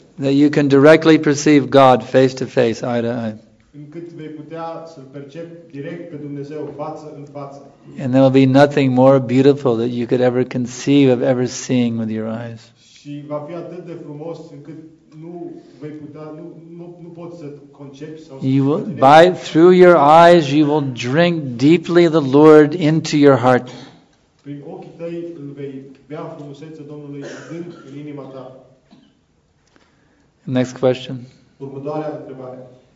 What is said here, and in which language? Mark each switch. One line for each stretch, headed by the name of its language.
English: that you can directly perceive God face to face, eye to eye.
Romanian: Încât vei putea să-L percepi direct pe Dumnezeu față în față.
English: And there will be nothing more beautiful that you could ever conceive of ever seeing with your eyes.
Romanian: Și va fi atât de frumos încât nu vei putea, nu poți să concepi sau.
English: You will, by through your eyes, you will drink deeply the Lord into your heart.
Romanian: Prin ochii tăi îl vei bea frumusețea Domnului adânc în inima ta.
English: Next question.
Romanian: Următoarea întrebare.